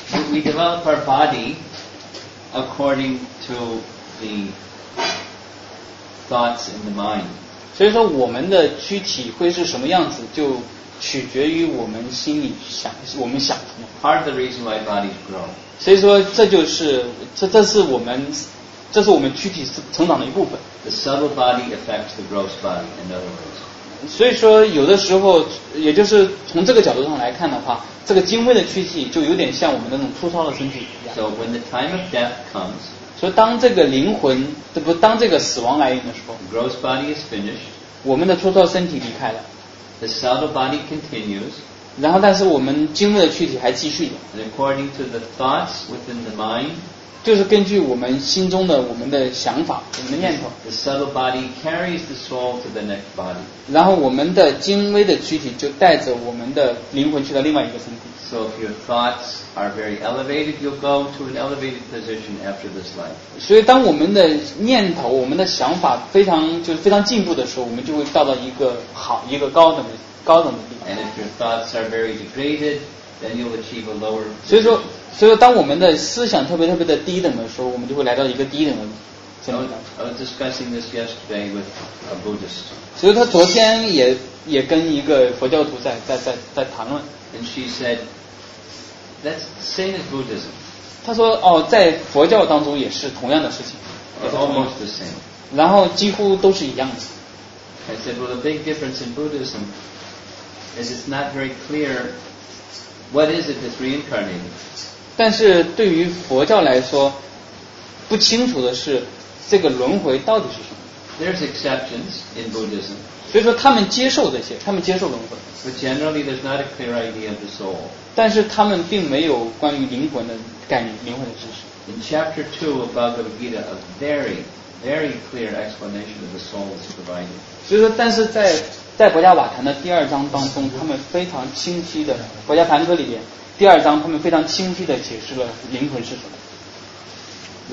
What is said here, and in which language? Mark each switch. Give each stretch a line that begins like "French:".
English: We develop our body according to the thoughts in the mind.
Chinese: 所以说我们的躯体会是什么样子，就取决于我们心里想，我们想什么。
English: Part of the reason why bodies grow.
Chinese: 所以说这就是这是我们躯体成长的一部分。
English: The subtle body affects the gross body, in other words.
Chinese: 所以说有的时候，也就是从这个角度上来看的话，这个精微的躯体就有点像我们那种粗糙的身体一样。
English: So when the time of death comes.
Chinese: 所以当这个灵魂，当这个死亡来临的时候
English: ，gross body is finished.
Chinese: 我们的粗糙身体离开了。
English: The subtle body continues.
Chinese: 然后，但是我们精微的躯体还继续。
English: And according to the thoughts within the mind,
Chinese: 就是根据我们心中的我们的想法，我们的念头。
English: The subtle body carries the soul to the next body.
Chinese: 然后，我们的精微的躯体就带着我们的灵魂去到另外一个身体。
English: So if your thoughts are very elevated, you'll go to an elevated position after this life.
Chinese: 所以，当我们的念头、我们的想法非常就是非常进步的时候，我们就会到一个好、一个高等的地方。
English: And if your thoughts are very degraded, then you'll achieve a lower.
Chinese: 所以说当我们的思想特别的低等的时候，我们就会来到一个低等的。
English: I was discussing this yesterday with a Buddhist.
Chinese: 所以他昨天也跟一个佛教徒在谈论。
English: And she said, "That's the same as Buddhism."
Chinese: 他说哦，在佛教当中也是同样的事情。
English: It's almost the same.
Chinese: 然后几乎都是一样子。
English: I said, "Well, the big difference in Buddhism is it's not very clear what is it that's reincarnated."
Chinese: 但是对于佛教来说，不清楚的是这个轮回到底是什么。
English: There's exceptions in Buddhism.
Chinese: 所以说他们接受这些，他们接受轮回。
English: But generally, there's not a clear idea of the soul.
Chinese: 但是他们并没有关于灵魂的概念，灵魂的知识。
English: In chapter 2 of Bhagavad Gita, a very, very clear explanation of the soul is provided.
Chinese: 所以说，但是在博伽瓦坛的第二章当中，他们非常清晰的，博伽梵歌里边第二章，他们非常清晰的解释了灵魂是什么。